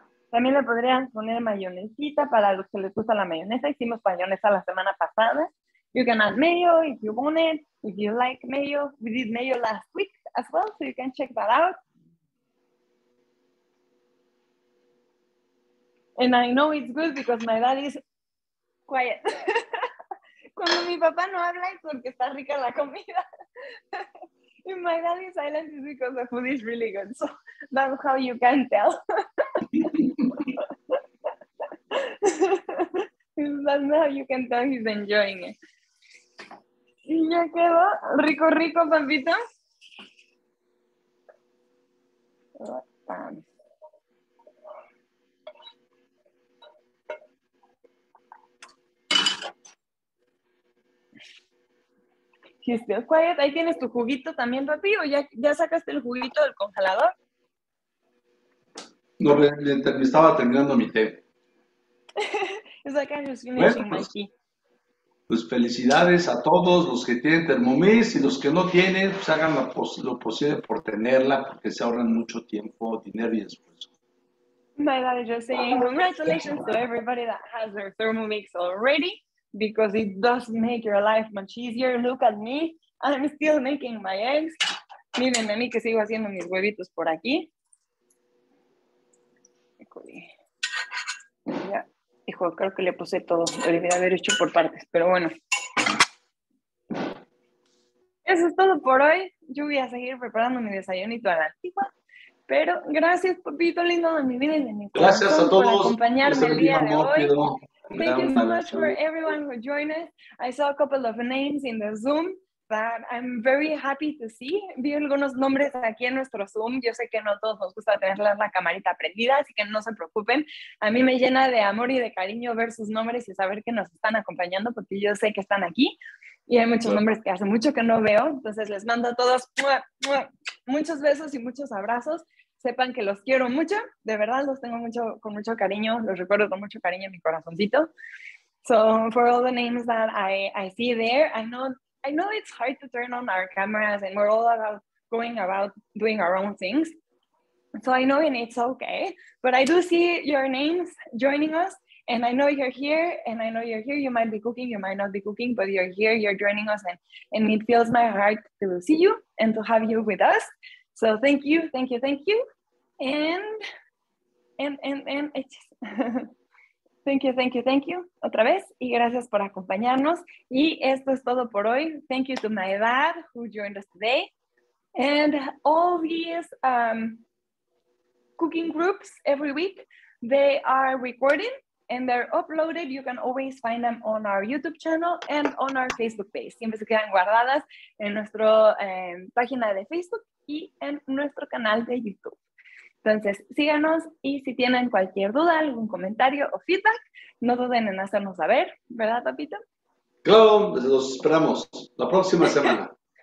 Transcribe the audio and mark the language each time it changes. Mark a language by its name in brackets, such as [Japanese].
[Spanish] También le podrían poner mayonesita para los que les gusta la mayonesa. Hicimos mayonesa la semana pasada. [English] You can add mayo if you want it. If you like mayo, we did mayo last week as well, so you can check that out. And I know it's good because my dad is quiet. [Spanish] Cuando mi papá no habla es porque está rica la comida. [English] And my dad is silent is because the food is really good. So that's how you can tell. That's how you can tell he's enjoying it. [Spanish] Y ya quedó rico, rico, papito. Que esté quiet. Ahí tienes tu juguito también, papi. ¿O ya sacaste el juguito del congelador? No, me estaba terminando mi té. Es acá, yo estoy [English] finishing my tea. [Spanish] Pues felicidades a todos los que tienen Thermomix y los que no tienen, pues hagan lo posible por tenerla porque se ahorran mucho tiempo, dinero y esfuerzo. [English] My dad is just saying congratulations to everybody that has their Thermomix already because it does make your life much easier. Look at me, I'm still making my eggs. [Spanish] Miren a mí que sigo haciendo mis huevitos por aquí. Ya. Hijo, creo que le puse todo, lo debería haber hecho por partes, pero bueno. Eso es todo por hoy. Yo voy a seguir preparando mi desayunito a la antigua. Pero gracias, papito lindo de mi vida y de mi corazón. Gracias a todos por acompañarme el día de hoy. [English] Thank you so much for everyone who joined us. I saw a couple of names in the Zoom that I'm very happy to see. [Spanish] Vi algunos nombres aquí en nuestro Zoom. Yo sé que no todos nos gusta tener la camarita prendida, así que no se preocupen. A mí me llena de amor y de cariño ver sus nombres y saber que nos están acompañando, porque yo sé que están aquí. Y hay muchos nombres que hace mucho que no veo. Entonces les mando a todos muchos besos y muchos abrazos. Sepan que los quiero mucho. De verdad, los tengo mucho, con mucho cariño. Los recuerdo con mucho cariño en mi corazoncito. [English] So, for all the names that I see there, I know it's hard to turn on our cameras and we're all about going about doing our own things. So I know, and it's okay, but I do see your names joining us and I know you're here and I know you're here. You might be cooking, you might not be cooking, but you're here, you're joining us and it fills my heart to see you and to have you with us. So thank you, thank you, thank you. And it's... Thank you, thank you, [Spanish] thank you, otra vez, y gracias por acompañarnos, y esto es todo por hoy. [English] Thank you to my dad, who joined us today, and all these cooking groups every week, they are recorded, and they're uploaded. You can always find them on our YouTube channel and on our Facebook page. [Spanish] Siempre se quedan guardadas en nuestra página de Facebook y en nuestro canal de YouTube. Entonces, síganos y si tienen cualquier duda, algún comentario o feedback, no duden en hacernos saber, ¿verdad, papito? Claro, los esperamos la próxima semana.